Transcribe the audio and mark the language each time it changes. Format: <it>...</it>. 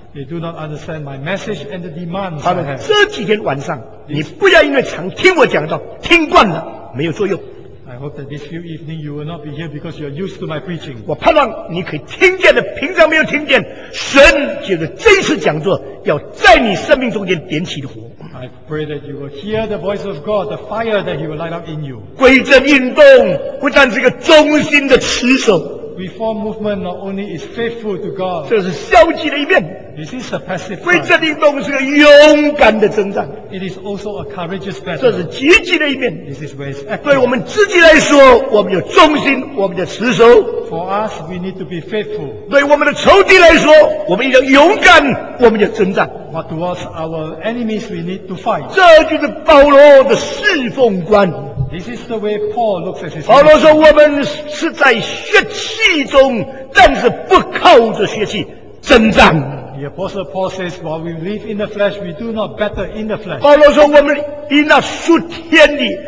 <en>They do not understand my message and the demands.</en> <zh>他们这几天晚上, 你不要因为常听我讲到听惯了没有作用。</zh> <en>I hope that this few evening you will not be here because you are used to my preaching.</en> <zh>我盼望你可以听见的, 平常没有听见, 神借着这次讲座要在你生命中间点起的火。</zh> <en>I pray that you will hear the voice of God, the fire that he will light up in you.</en> <zh>归正运动不但是个忠心的持守,</zh> <en>Reform movement not only is faithful to God,</en> <zh>这是消极的一面,</zh> <en>this is a passive one.</en> <zh>归正运动是个勇敢的征战,</zh> <en>it is also a courageous battle.</en> <zh>这是积极的一面,</zh> <en>this is where it's active.</en> <zh>对我们自己来说, 我们有忠心, 我们的持守,</zh> <en>for us, we need to be faithful.</en> <zh>对我们的仇敌来说, 我们要勇敢, 我们要征战,</zh> <en>but towards our enemies, we need to fight.</en> <zh>这就是保罗的侍奉观。</zh> <en>This is the way Paul looks at his life.</en> <zh>保罗说我们是在血气中, 但是不靠着血气征战。</zh> <en>The Apostle Paul says, while we live in the flesh, we do not battle in the flesh.</en> <zh>保罗说我们以那属天的,</zh>